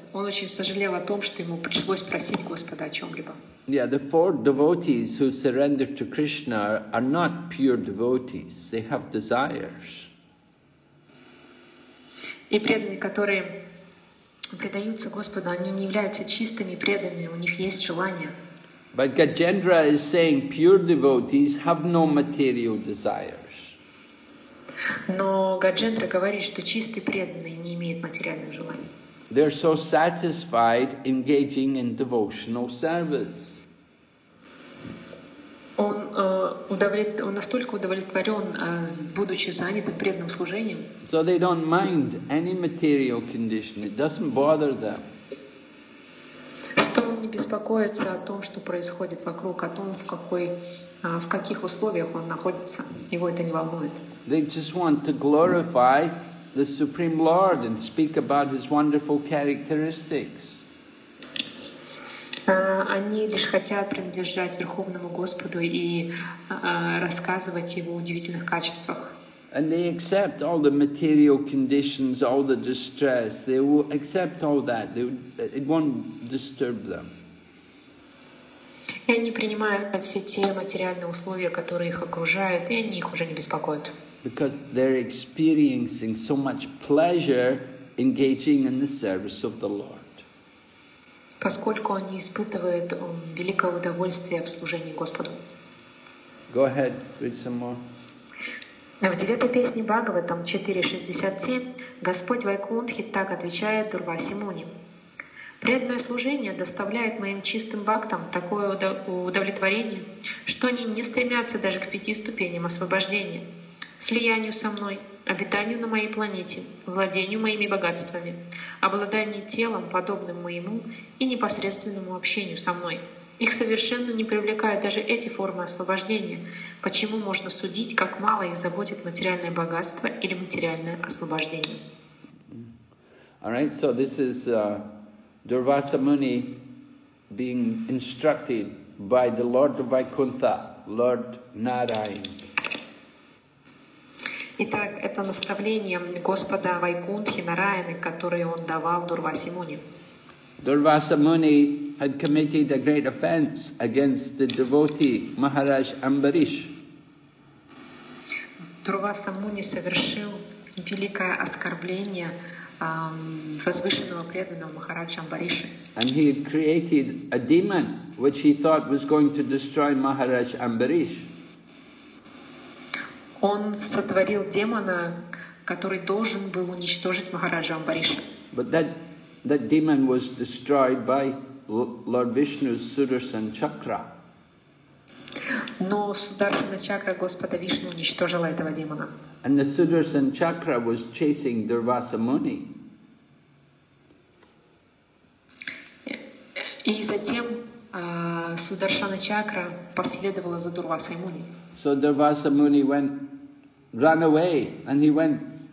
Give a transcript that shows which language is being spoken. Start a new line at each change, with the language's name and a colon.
Russian: Он очень сожалел о том, что ему пришлось просить Господа о чем-либо.
English: Yeah, the four devotees who surrender to Krishna are not pure devotees. They have desires.
Russian: И преданные, которые предаются Господу, они не являются чистыми преданными, у них есть желания.
English: But Gajendra is saying pure devotees have no material desires.
Russian: Но Гаджендра говорит, что чистые преданные не имеют материальных желаний.
English: They are so satisfied engaging in devotional service.
Russian: Он настолько удовлетворен, будучи занятым преданным служением.
English: So they don't mind any material condition. It doesn't bother them.
Russian: Что он не беспокоится о том, что происходит вокруг, о том, в каких условиях он находится. Его это не волнует.
English: They just want to glorify the Supreme Lord and speak about His wonderful characteristics.
Russian: Они лишь хотят принадлежать Верховному Господу и рассказывать Его удивительных качествах.
English: And they accept all the material conditions, all the distress. They will accept all that. It won't disturb them.
Russian: И они принимают все те материальные условия, которые их окружают, и они их уже не беспокоят.
English: Because they're experiencing so much pleasure engaging in the service of the Lord.
Russian: Поскольку они испытывают великое удовольствие в служении Господу.
English: Go ahead, read some more.
Russian: В 9 песне Бхагаватам 4.67 Господь Вайкунтхи так отвечает Дурваси Муни. Преданное служение доставляет моим чистым бхактам такое удовлетворение, что они не стремятся даже к пяти ступеням освобождения, слиянию со мной, обитанию на моей планете, владению моими богатствами, обладанию телом, подобным моему, и непосредственному общению со мной. Их совершенно не привлекают даже эти формы освобождения. Почему можно судить, как мало их заботит материальное богатство или материальное освобождение?
English: All right, so this is Durvasa Muni being instructed by the Lord of Vaikuntha, Lord Narayana.
Russian: Итак, это наставление Господа Вайкунтхи Нараяны, которое он давал Дурваси Муни.
English: Дурваса Муни had committed a great offense against the devotee Maharaj Ambarish.
Russian: Дурваса Муни совершил великое оскорбление возвышенного преданного Махараджа Амбариша.
English: And he had created a demon which he thought was going to destroy Maharaj Ambarish.
Russian: Он сотворил демона, который должен был уничтожить Махараджа Амбариша.
English: But that demon was destroyed by Lord Vishnu's Sudarshan Chakra.
Russian: Но Сударшана Чакра Господа Вишну уничтожила этого демона.
English: And the Sudarshan Chakra was chasing Durvasa Muni.
Russian: И затем Сударшана Чакра последовала за Дурвасой Муни.
English: So Durvasa Muni ran away, and he went